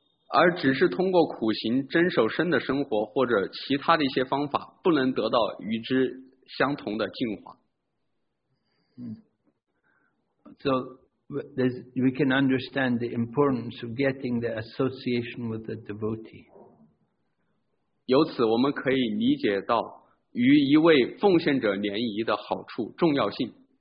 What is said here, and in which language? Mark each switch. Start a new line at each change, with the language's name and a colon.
Chinese: 而只是通过苦行、真守身的生活或者其他的一些方法，不能得到与之相同的净化。
English: So we can understand the importance of getting the association with the devotee.
Chinese: 由此我们可以理解到与一位奉献者联谊的好处重要性。